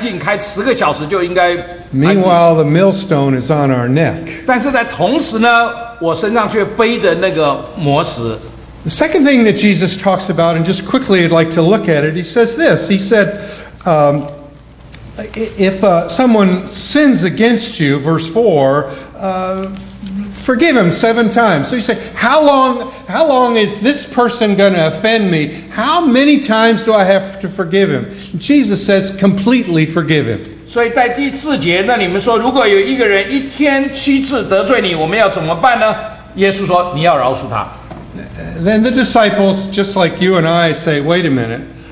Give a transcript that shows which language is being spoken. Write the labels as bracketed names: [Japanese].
[Chinese] 那是他们的错，因为他们本来就应该安静，开10个小时就应该。 [English] Meanwhile, the millstone is on our neck. [Chinese] 但是在同时呢，我身上却背着那个磨石。 [English] The second thing that Jesus talks about, and just quickly, I'd like to look at it. He says this. He said, If someone sins against you, verse 4, forgive him 7 times. So you say, how long is this person going to offend me? How many times do I have to forgive him? Jesus says, completely forgive him. [Chinese] 所以在第四节，那你们说，如果有一个人一天7次得罪你，我们要怎么办呢？耶稣说，你要饶恕他。 [English] Then the disciples, just like you and I, say, wait a minute.